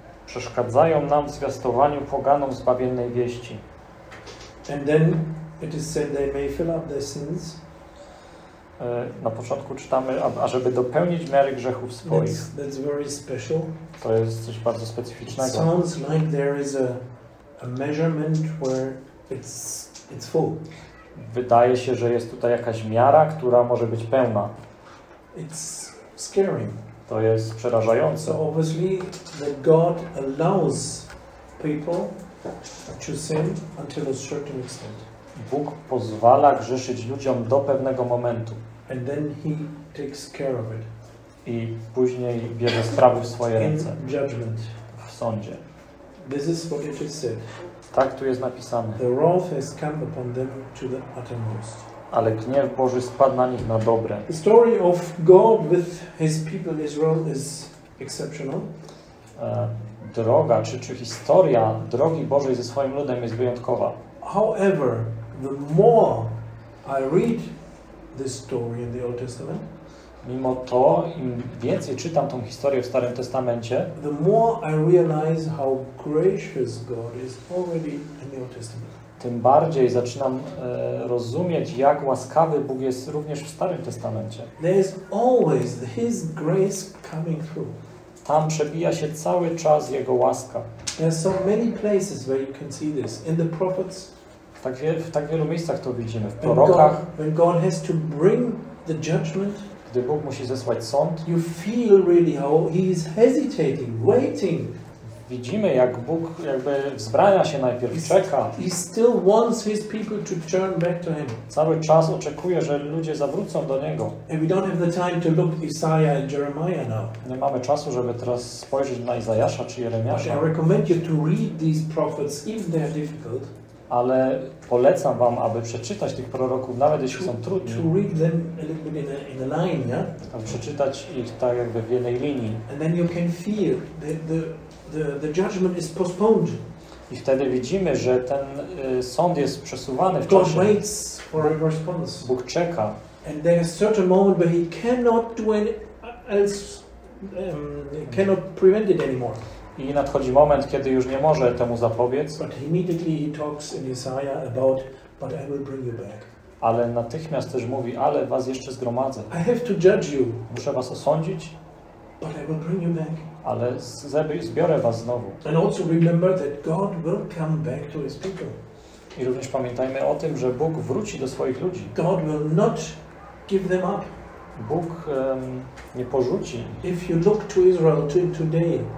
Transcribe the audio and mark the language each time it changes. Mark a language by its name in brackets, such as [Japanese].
[Polish] Przeszkadzają nam w zwiastowaniu poganom zbawiennej wieści. [English] And then it is said they may fill up their sins. [Polish] Na początku czytamy, ażeby dopełnić miary grzechów swoich. [English] That's very special. [Polish] To jest coś bardzo specyficznego. [English] It sounds like there is a measurement where it's full. [Polish] Wydaje się, że jest tutaj jakaś miara, która może być pełna. [English] It's scary. [Polish] To jest przerażające. [English] So obviously that God allows people to sin until a certain extent. [Polish] Bóg pozwala grzeszyć ludziom do pewnego momentu. [English] And then he takes care of it. [Polish] I później bierze sprawy w swoje ręce. [English] In judgment. [Polish] W sądzie. [English] This is what it is said. [Polish] Tak tu jest napisane. [English] The wrath has come upon them to the uttermost. [Polish] Ale gniew Boży spadł na nich na dobre. [English] The story of God with his people Israel is exceptional. [Polish] droga, czy historia drogi Bożej ze swoim ludem jest wyjątkowa. [English] However, the more I read this story in the Old Testament, [Polish] mimo to, im więcej czytam tą historię w Starym Testamencie, [English] the more I realize how gracious God is already in the Old Testament. [Polish] Tym bardziej zaczynam rozumieć, jak łaskawy Bóg jest również w Starym Testamencie. [English] There is always His grace coming through. [Polish] Tam przebija się cały czas Jego łaska. [English] There are so many places where you can see this in the prophets. [Polish] W tak wielu miejscach to widzimy w prorokach. [English] When God has to bring the judgment, [Polish] gdy Bóg musi zesłać sąd, [English] you feel really how He is hesitating, waiting. [Polish] Widzimy, jak Bóg jakby wzbrania się najpierw, czeka. [English] He still wants His people to turn back to Him. [Polish] Cały czas oczekuje, że ludzie zawrócą do Niego. [English] And we don't have the time to look Isaiah and Jeremiah now. [Polish] Nie mamy czasu, żeby teraz spojrzeć na Izajasza czy Jeremiasza. [English] But I recommend you to read these prophets if they are difficult. [Polish] Ale polecam wam, aby przeczytać tych proroków, nawet jeśli są trudni. [English] To read them a little bit in a line, yeah? [Polish] Aby przeczytać ich tak jakby w jednej linii. [English] And then you can feel the judgment is postponed. [Polish] I wtedy widzimy, że ten sąd jest przesuwany w [English] God [Polish] czasie. [English] Waits for a response. [Polish] Bóg czeka. [English] And there is such a moment where He cannot do any else, cannot prevent it anymore. [Polish] I nadchodzi moment, kiedy już nie może temu zapobiec. [English] But immediately He talks in Isaiah about, but I will bring you back. [Polish] Ale natychmiast też mówi, ale was jeszcze zgromadzę. [English] I have to judge you. [Polish] Muszę was osądzić. [English] But I will bring you back. [Polish] Ale zbiorę was znowu. [English] And also remember that God will come back to His people. [Polish] I również pamiętajmy o tym, że Bóg wróci do swoich ludzi. [English] God will not give them up. [Polish] Bóg nie porzuci. [English] If you look to Israel today,